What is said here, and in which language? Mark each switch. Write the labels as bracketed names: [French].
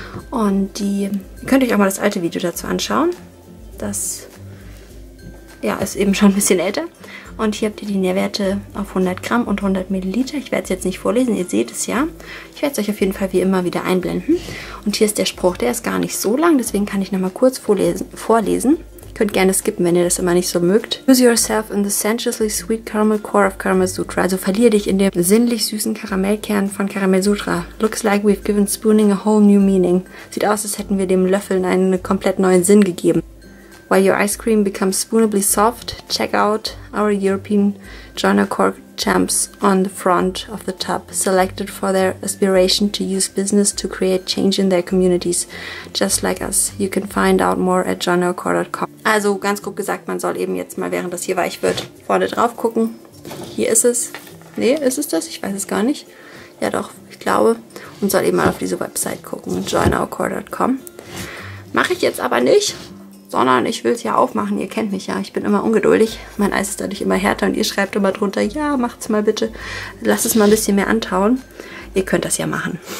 [German] Und die, ihr könnt euch auch mal das alte Video dazu anschauen. Das, ja, ist eben schon ein bisschen älter. Und hier habt ihr die Nährwerte auf 100 Gramm und 100 Milliliter. Ich werde es jetzt nicht vorlesen, ihr seht es ja. Ich werde es euch auf jeden Fall wie immer wieder einblenden. Und hier ist der Spruch, der ist gar nicht so lang, deswegen kann ich nochmal kurz vorlesen. Könnt gerne skippen, wenn ihr das immer nicht so mögt. [English] Lose yourself in the sensuously sweet caramel core of Caramel Sutra. [German] Also verliere dich in dem sinnlich süßen Karamellkern von Caramel Sutra. [English] Looks like we've given spooning a whole new meaning. [German] Sieht aus, als hätten wir dem Löffeln einen komplett neuen Sinn gegeben. [English] While your ice cream becomes spoonably soft, check out our European Joiner Core Champs on the front of the tub, selected for their aspiration to use business to create change in their communities, just like us. You can find out more at joinercore.com. [German] Also ganz grob gesagt, man soll eben jetzt mal, während das hier weich wird, vorne drauf gucken. Hier ist es. Nee, ist es das? Ich weiß es gar nicht. Ja doch, ich glaube. Und soll eben mal auf diese Website gucken, joinercore.com. Mache ich jetzt aber nicht. Sondern ich will es ja aufmachen, ihr kennt mich ja, ich bin immer ungeduldig. Mein Eis ist dadurch immer härter und ihr schreibt immer drunter, ja, macht's mal bitte, lasst es mal ein bisschen mehr antauen. Ihr könnt das ja machen.